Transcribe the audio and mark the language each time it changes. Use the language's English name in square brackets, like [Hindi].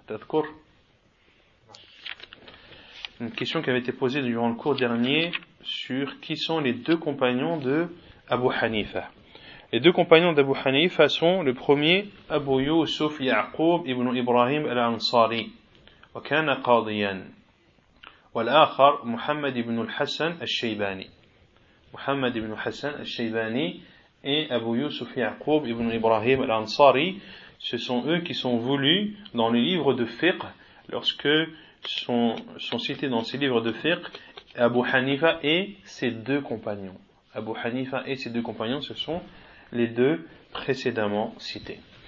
[Arabic] T'adkour ? [French] Une question qui avait été posée durant le cours dernier sur qui sont les deux compagnons de Abu Hanifa. Les deux compagnons d'Abu Hanifa sont le premier, Abu Yusuf Ya'qub ibn Ibrahim al-Ansari. [Arabic] وكان قاضيا والآخر محمد بن الحسن الشيباني محمد بن الحسن الشيباني et أبو يوسف يعقوب ابن إبراهيم الأنصاري. [French] Ce sont eux qui sont voulus dans les livres de fiqh, lorsque sont cités dans ces livres de fiqh Abu Hanifa et ses deux compagnons. Abu Hanifa et ses deux compagnons, ce sont les deux précédemment cités.